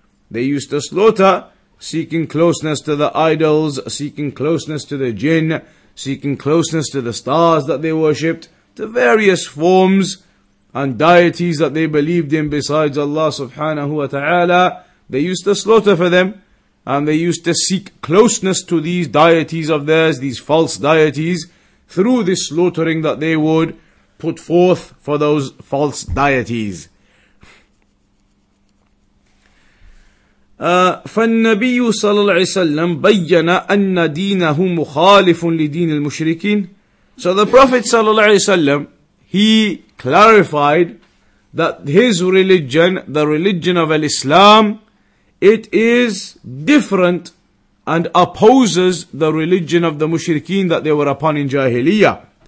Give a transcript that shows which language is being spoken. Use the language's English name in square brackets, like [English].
[English] They used to slaughter seeking closeness to the idols, seeking closeness to the jinn, seeking closeness to the stars that they worshipped, to various forms and deities that they believed in besides Allah subhanahu wa ta'ala. They used to slaughter for them. And they used to seek closeness to these deities of theirs, these false deities, through this slaughtering that they would put forth for those false deities. [Arabic] فالنبي صلى الله عليه وسلم بين أن دينه مخالف لدين المشركين. [English] So the Prophet صلى الله عليه وسلم, he clarified that his religion, the religion of Islam, it is different and opposes the religion of the mushrikeen that they were upon in Jahiliyyah.